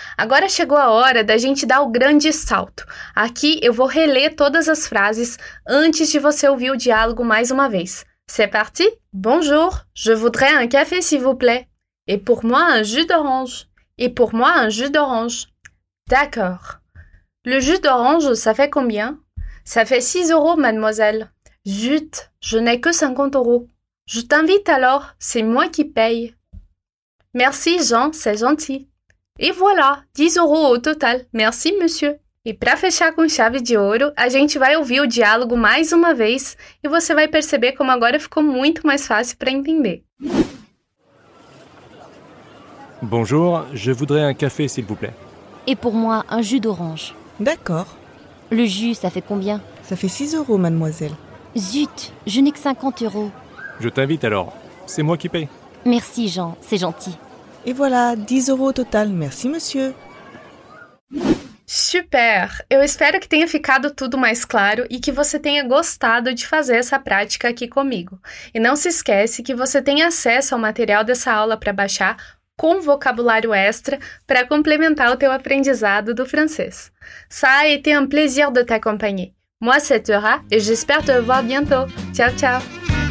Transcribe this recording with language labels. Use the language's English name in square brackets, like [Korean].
[Portuguese] Agora chegou a hora da gente dar o grande salto. Aqui eu vou reler todas as frases antes de você ouvir o diálogo mais uma vez. [French] C'est parti? Bonjour, je voudrais un café, s'il vous plaît. Et pour moi, un jus d'orange. et pour moi un jus d'orange. D'accord. Le jus d'orange, ça fait combien ? Ça fait 6 euros, mademoiselle. Zut, je n'ai que 50 euros. Je t'invite alors, c'est moi qui paye. Merci Jean, c'est gentil. Et voilà, 10 euros au total. Merci monsieur. [Portuguese] E para fechar com chave de ouro, a gente vai ouvir o diálogo mais uma vez e você vai perceber como agora ficou muito mais fácil para entender. [French] Bonjour, je voudrais un café, s'il vous plaît. Et pour moi, un jus d'orange. D'accord. Le jus, ça fait combien ? Ça fait 6 euros, mademoiselle. Zut, je n'ai que 50 euros. Je t'invite alors, c'est moi qui paye. Merci Jean, c'est gentil. Et voilà, 10 euros au total, merci monsieur. Super! [Portuguese] Eu espero que tenha ficado tudo mais claro e que você tenha gostado de fazer essa prática aqui comigo. E não se esquece que você tem acesso ao material dessa aula para baixar com vocabulário extra para complementar o teu aprendizado do francês. [French] Ça a été un plaisir de t'accompagner. Moi, c'est Thora, et j'espère te voir bientôt. Tchau, tchau!